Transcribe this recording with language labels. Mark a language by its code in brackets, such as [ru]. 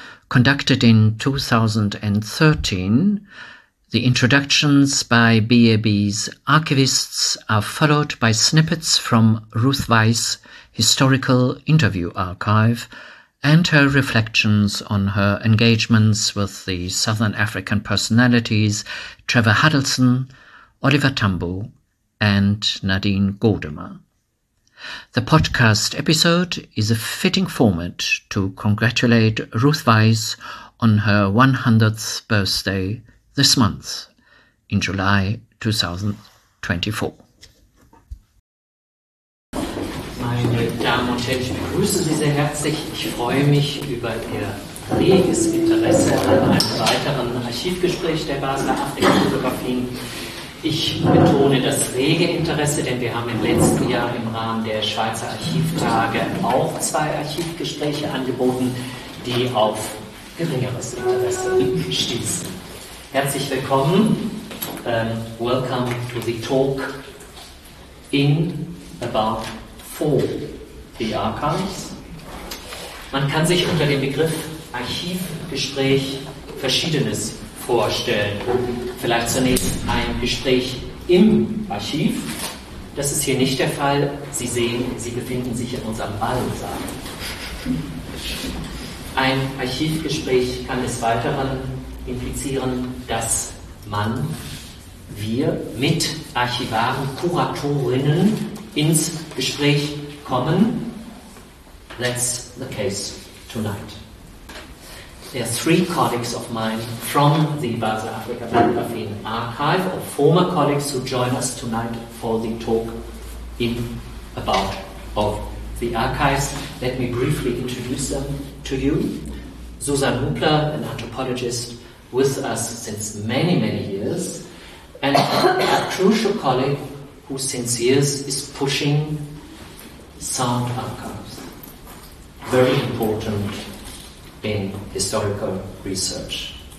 [en] Conducted in 2013, the introductions by BAB's archivists are followed by snippets from Ruth Weiss' historical interview archive and her reflections on her engagements with the Southern African personalities Trevor Huddleston, Oliver Tambo, and Nadine Gordimer. The podcast episode is a fitting format to congratulate Ruth Weiss on her 100th birthday this month, in July 2024. [de] Meine Damen und Herren, ich begrüße Sie sehr herzlich. Ich freue mich über Ihr reges Interesse an einem weiteren Archivgespräch der Basler Afrika-Fotografien. Ich betone das rege Interesse, denn wir haben im letzten Jahr im Rahmen der Schweizer Archivtage auch zwei Archivgespräche angeboten, die auf geringeres Interesse stießen. Herzlich willkommen. [en] Welcome to the talk in about four the archives. [de] Man kann sich unter dem Begriff Archivgespräch Verschiedenes vorstellen. Vielleicht zunächst ein Gespräch im Archiv. Das ist hier nicht der Fall. Sie sehen, Sie befinden sich in unserem Ballsaal. Ein Archivgespräch kann des Weiteren implizieren, dass wir mit Archivaren, Kuratorinnen ins Gespräch kommen. [en] That's the case tonight. There are three colleagues of mine from the Basel Africa Bibliographien Archive, or former colleagues who join us tonight for the talk in about of the archives. Let me briefly introduce them to you. Susan Hubler, an anthropologist, with us since many, many years, and a crucial colleague who since years is pushing sound archives, very important in historical research.